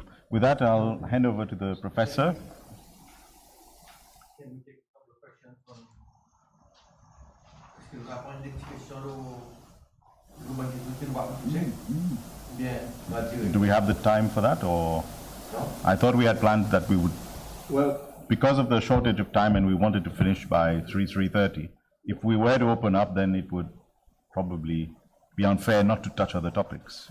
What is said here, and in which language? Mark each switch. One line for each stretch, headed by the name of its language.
English: With that, I'll hand over to the professor. Can we take a couple of questions from...
French: Est-ce que vous avez une question ou... Vous m'avez dit, vous avez
English: Do we have the time for that, or... No. I thought we had planned that we would... Well... Because of the shortage of time and we wanted to finish by 3:30, if we were to open up, then it would probably be unfair not to touch other topics.